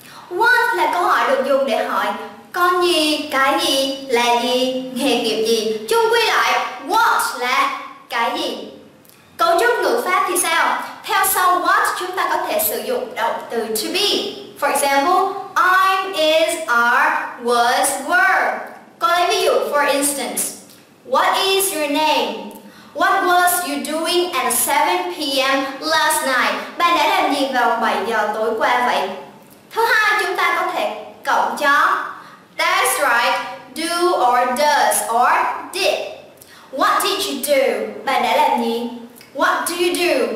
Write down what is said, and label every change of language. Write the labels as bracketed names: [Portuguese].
[Vietnamese] What là câu hỏi được dùng để hỏi con gì, cái gì, là gì, nghề nghiệp gì. Chung quy lại, what là cái gì. Cấu trúc ngữ pháp thì sao? Theo sau what chúng ta có thể sử dụng động từ to be. [English] For example, I'm, is, are, was, were. [Vietnamese] Có lấy ví dụ, [English] for instance, what is your name? What was you doing at 7 p.m. last night? [Vietnamese] Bạn đã làm gì vào 7 giờ tối qua vậy? Thứ hai chúng ta có thể cộng cho. [English] That's right, do or does or did. What did you do? [Vietnamese] Bạn đã làm gì? [English] What do you do?